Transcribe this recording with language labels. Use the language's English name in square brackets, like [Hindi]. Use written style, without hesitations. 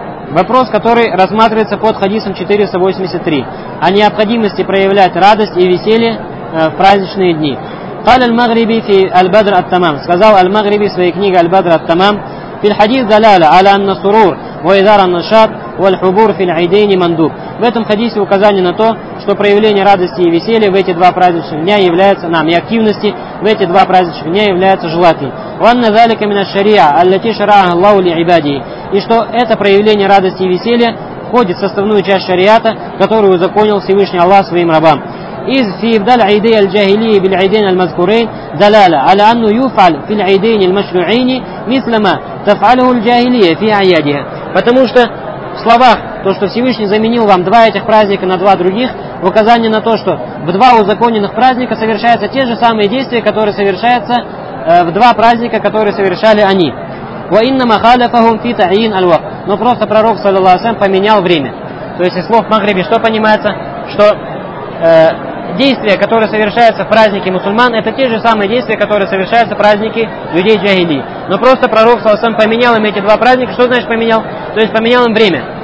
[Russian] Вопрос, который рассматривается под хадисом 483, о необходимости проявлять радость и веселье в праздничные дни. [Arabic] قال المغربي في البدر التمام [Russian] сказал [Arabic] المغربي [Russian] в своей книге [Arabic] البدر التمام في الحديث دلالة على أن السرور وإدارة النشاط والحبور في العيدين مندوب. [Russian] В этом хадисе указание на то, что проявление радости и веселья в эти два праздничных дня является нам, и активности в эти два праздничных дня является желательным. [Arabic] وأن ذلك من الشريعة التي شرعها الله لعباده. [Russian] И что это проявление радости и веселья входит в составную часть шариата, которую законил Всевышний Аллах своим рабам. [Arabic] إذ في إبدال عيد الجاهلية بالعيدين المذكورين دلالة على أنه يفعل في العيدين المشروعين مثل ما تفعله الجاهلية في أعيادها. [Russian] Потому что в словах то, что Всевышний заменил вам два этих праздника на два других, указание на то, что в два узаконенных праздника совершаются те же самые действия, которые совершаются в два праздника, которые совершали они. [Arabic] وإنما خالفهم في تعيين الوقت. [Russian] Но просто Пророк [Arabic] صلى الله عليه وسلم [Russian] поменял время. То есть из слов Магриби что понимается, что действия, которые совершаются в праздники мусульман, это те же самые действия, которые совершаются в праздники людей джагили. Но просто Пророк Саусам поменял им эти два праздника. Что значит поменял? То есть поменял им время.